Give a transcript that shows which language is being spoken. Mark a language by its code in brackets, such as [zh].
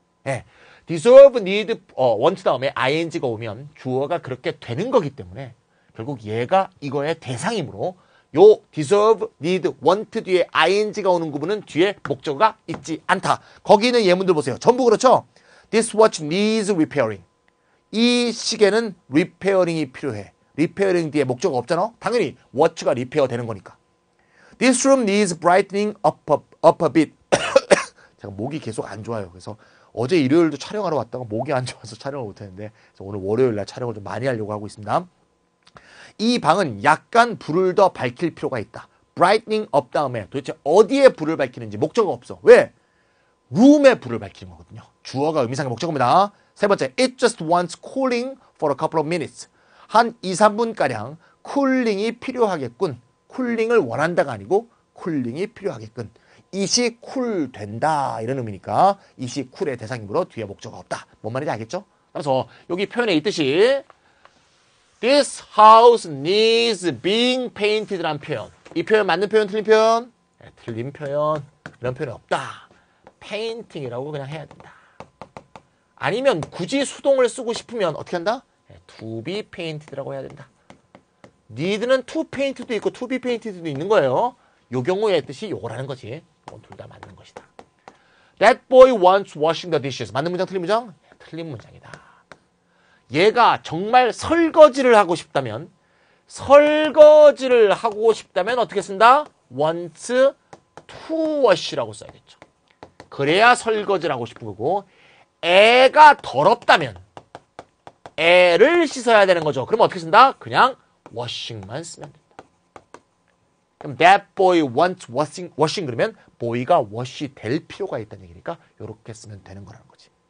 [ko] 예, deserve, need, want 다음에 ing가 오면 주어가 그렇게 되는 거기 때문에 결국 얘가 이거의 대상이므로 요 deserve, need, want 뒤에 ing가 오는 구분은 뒤에 목적어가 있지 않다. 거기 있는 예문들 보세요. 전부 그렇죠? [en] This watch needs repairing. [ko] 이 시계는 repairing이 필요해. repairing 뒤에 목적어 없잖아. 당연히 watch가 repair 되는 거니까. [en] This room needs brightening up a bit. [ko] 제가 목이 계속 안 좋아요. 그래서 어제 일요일도 촬영하러 왔다가 목이 안 좋아서 촬영을 못했는데 그래서 오늘 월요일날 촬영을 좀 많이 하려고 하고 있습니다. 이 방은 약간 불을 더 밝힐 필요가 있다. Brightening up 다음에 도대체 어디에 불을 밝히는지 목적어 없어. 왜? Room에 불을 밝히는 거거든요. 주어가 의미상의 목적어입니다. 세 번째, [en] It just wants cooling for a couple of minutes. [ko] 한 2, 3분가량 쿨링이 필요하겠군. 쿨링을 원한다가 아니고 쿨링이 필요하겠군. 이시 쿨 된다 이런 의미니까 이시 쿨의 대상이므로 뒤에 목적어 없다. 뭔 말인지 알겠죠? 따라서 여기 표현에 있듯이 [en] This house needs being painted [ko] 란 표현. 이 표현 맞는 표현, 틀린 표현? 네, 틀린 표현. 이런 표현 없다. painting이라고 그냥 해야 된다. 아니면 굳이 수동을 쓰고 싶으면 어떻게 한다? 네, to be painted라고 해야 된다. need는 to paint도 있고 to be painted도 있는 거예요. 요 경우의 뜻이 요거라는 거지. 이건 둘 다 맞는 것이다. [en] That boy wants washing the dishes. [ko] 맞는 문장, 틀린 문장? 네, 틀린 문장이다. 얘가 정말 설거지를 하고 싶다면 설거지를 하고 싶다면 어떻게 쓴다? wants to wash라고 써야겠죠. 그래야 설거지를 하고 싶은 거고 애가 더럽다면 애를 씻어야 되는 거죠. 그럼 어떻게 쓴다? 그냥 washing만 쓰면 된다. 그럼 [en] that boy wants washing [ko] 그러면 boy가 wash 될 필요가 있다는 얘기니까 이렇게 쓰면 되는 거라는 거지.